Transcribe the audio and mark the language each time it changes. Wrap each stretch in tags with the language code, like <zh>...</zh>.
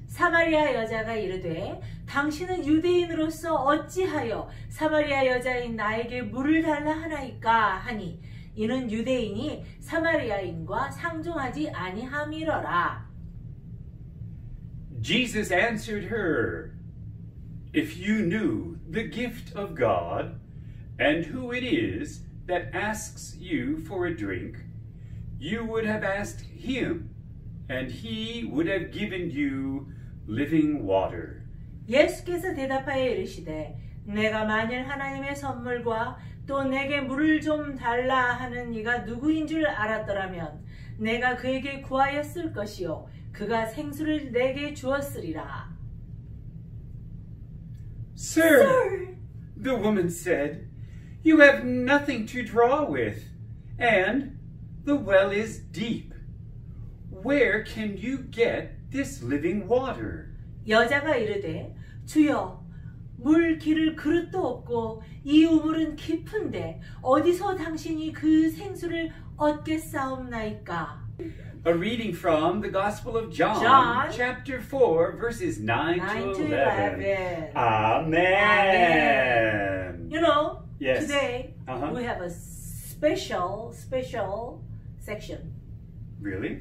<ko>사마리아 여자가 이르되 당신은 유대인으로서 어찌하여 사마리아 여자인 나에게 물을 달라 하나이까 하니 이는 유대인이 사마리아인과 상종하지 아니함이러라.</ko> <en>Jesus answered her, "If you knew the gift of God and who it is that asks you for a drink, you would have asked him, and he would have given you living water.</en> <ko>예수께서 대답하여 이르시되 내가 만일 하나님의 선물과 또 내게 물을 좀 달라 하는 이가 누구인 줄 알았더라면 내가 그에게 구하였을 것이요 그가 생수를 내게 주었으리라.</ko> <en>Sir, the woman said, you have nothing to draw with, and the well is deep. Where can you get this living water?</en> <ko>여자가 이르되 주여 물 길을 그릇도 없고 이 우물은 깊은데 어디서 당신이 그 생수를 얻겠사옵나이까?</ko> <en>A reading from the Gospel of John, chapter 4, verses 9 to 11. Amen. You know, yes. Today we have a special section. Really?</en>